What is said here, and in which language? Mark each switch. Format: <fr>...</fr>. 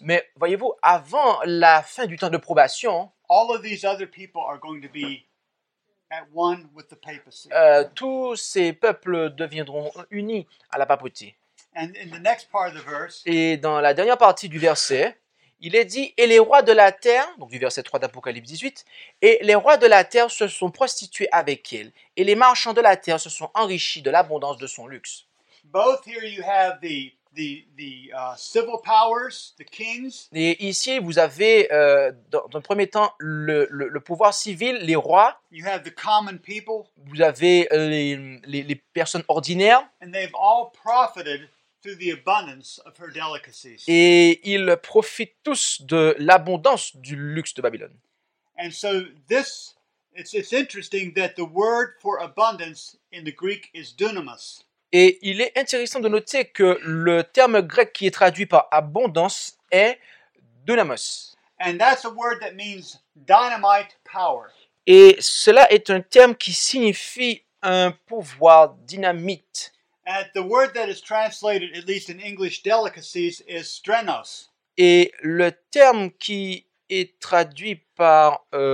<fr>mais voyez-vous, avant la fin du temps de probation,</fr> <en>all of these other people are going to be at one with the papacy.</en> <fr>Tous ces peuples deviendront unis à la papauté.</fr> <en>And in the next part of the verse,</en> <fr>et dans la dernière partie du verset, il est dit, et les rois de la terre, donc du verset 3 d'Apocalypse 18, et les rois de la terre se sont prostitués avec elle, et les marchands de la terre se sont enrichis de l'abondance de son luxe.</fr> <en>Both here you have the civil powers, the kings.</en> <fr>Et ici, vous avez, dans un premier temps, le pouvoir civil, les rois.</fr> <en>You have the common people.</en> <fr>Vous avez les personnes ordinaires.</fr> <en>And they've all profited through the abundance of her delicacies.</en> <fr>Et ils profitent tous de l'abondance du luxe de Babylone.</fr> <en>And so this, it's interesting that the word for abundance in the Greek is dunamis.</en> <fr>Et il est intéressant de noter que le terme grec qui est traduit par abondance est dunamis.</fr> <en>And that's a word that means dynamite power.</en> <fr>Et cela est un terme qui signifie un pouvoir dynamite.</fr> <en>And the word that is translated, at least in English delicacies, is strenos.</en> <fr>Et le terme qui est traduit par</fr>